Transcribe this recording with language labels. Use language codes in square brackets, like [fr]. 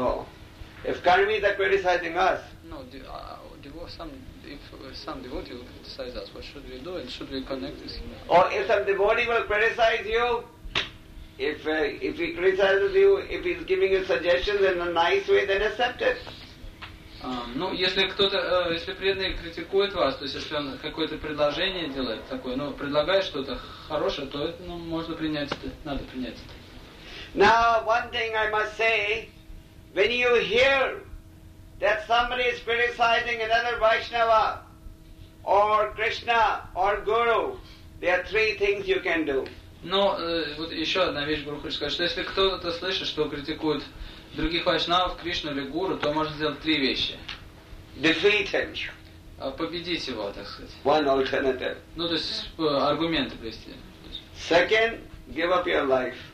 [en] Oh. If Karmis are criticizing us, if some devotee will criticize us, what should we do, and should we connect with him? Or if some devotee will criticize you, if he criticizes you, if he's giving you suggestions in a nice way, then accept it. [ru] Если преданный критикует вас, то есть если он какое-то предложение делает такое, ну, предлагает что-то хорошее, то это, ну, можно принять это, надо принять это. [en] Now, one thing I must say, when you hear that somebody is criticizing another Vaishnava or Krishna or Guru, there are 3 things you can do. [ru] Но вот еще одна вещь, Гуру, хочу сказать, что если кто-то слышит, что критикуют других Вайшнавов, Кришну или Гуру, то можно сделать 3 вещи. [en] Defeat him. [ru] Победить его, так сказать. [en] One alternative. [ru] Ну, то есть аргументы привести. [en] Second, give up your life.